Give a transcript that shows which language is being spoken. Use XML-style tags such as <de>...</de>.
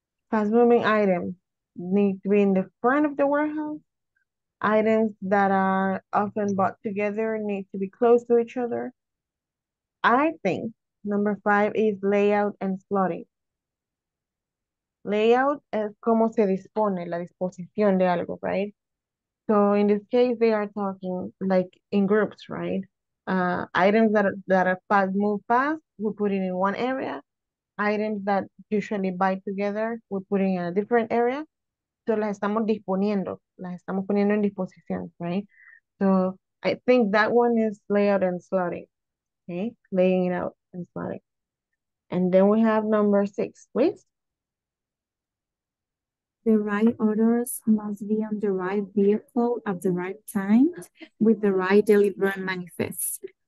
<en>Fast moving items need to be in the front of the warehouse. Items that are often bought together need to be close to each other. I think number five is layout and slotting.</en> <es>Layout is como se dispone, la disposición de algo,</es> <en>right? So in this case, they are talking like in groups, right? Items that are fast, move fast, we put it in one area. Items that usually buy together, we put it in a different area.</en> <es>So las estamos disponiendo, las estamos poniendo en disposición,</es> <en>right? So I think that one is layout and slotting, okay? Laying it out and slotting. And then we have number six, please. The right orders must be on the right vehicle at the right time with the right delivery manifest.</en>